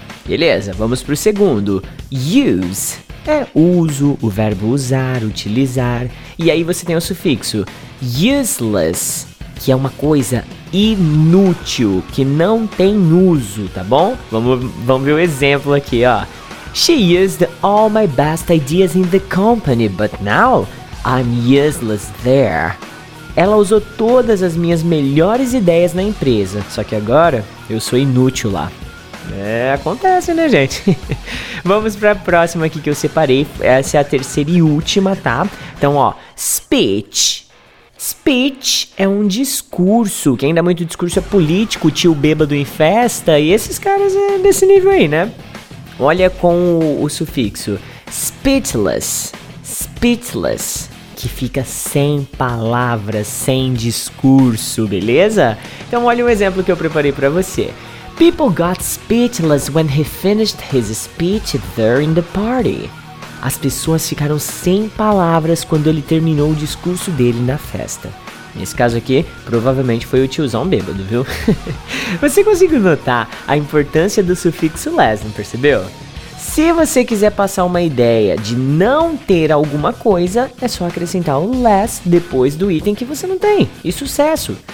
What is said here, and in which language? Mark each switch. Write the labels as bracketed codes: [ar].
[pt] Beleza, vamos pro segundo. Use. É uso, o verbo usar, utilizar. E aí você tem o sufixo useless, que é uma coisa inútil, que não tem uso, tá bom? Vamos ver o exemplo aqui, ó. [en] She used all my best ideas in the company, but now I'm useless there. [pt] Ela usou todas as minhas melhores ideias na empresa, só que agora eu sou inútil lá. É, acontece, né, gente? Vamos pra próxima aqui que eu separei. Essa é a terceira e última, tá? Então, ó, speech. Speech é um discurso, que ainda muito discurso é político, tio bêbado em festa, e esses caras é desse nível aí, né? Olha com o sufixo. Speechless. Speechless. Que fica sem palavras, sem discurso, beleza? Então, olha um exemplo que eu preparei pra você. [en] People got speechless when he finished his speech there in the party. [pt] As pessoas ficaram sem palavras quando ele terminou o discurso dele na festa. Nesse caso aqui, provavelmente foi o tiozão bêbado, viu? Você conseguiu notar a importância do sufixo less, não percebeu? Se você quiser passar uma ideia de não ter alguma coisa, é só acrescentar o less depois do item que você não tem. E sucesso!